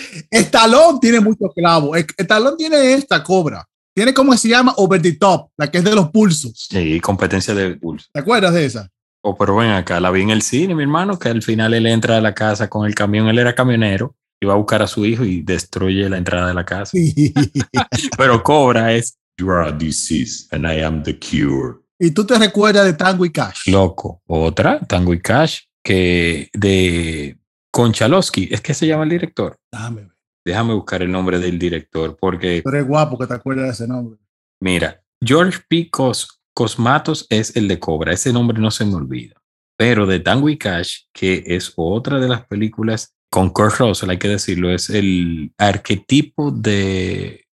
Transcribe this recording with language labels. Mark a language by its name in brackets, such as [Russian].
[Spanish] Estalón tiene mucho clavo. Estalón tiene esta Cobra. Tiene como se llama Over the Top, la que es de los pulsos. Sí, competencia de pulsos. ¿Te acuerdas de esa? Oh, pero ven acá, la vi en el cine, mi hermano, que al final él entra a la casa con el camión. Él era camionero, iba a buscar a su hijo y destruye la entrada de la casa. Sí. Pero Cobra es [English] You are a disease and I am the cure. [Spanish] ¿Y tú te recuerdas de Tango y Cash? Loco, otra, Tango y Cash, que de Konchalovsky, ¿es que se llama el director? Déjame buscar el nombre del director, porque... Pero es guapo que te acuerdas de ese nombre. Mira, George P. Cosmatos es el de Cobra, ese nombre no se me olvida. Pero de Tango y Cash, que es otra de las películas con Kurt Russell, hay que decirlo, es el arquetipo de...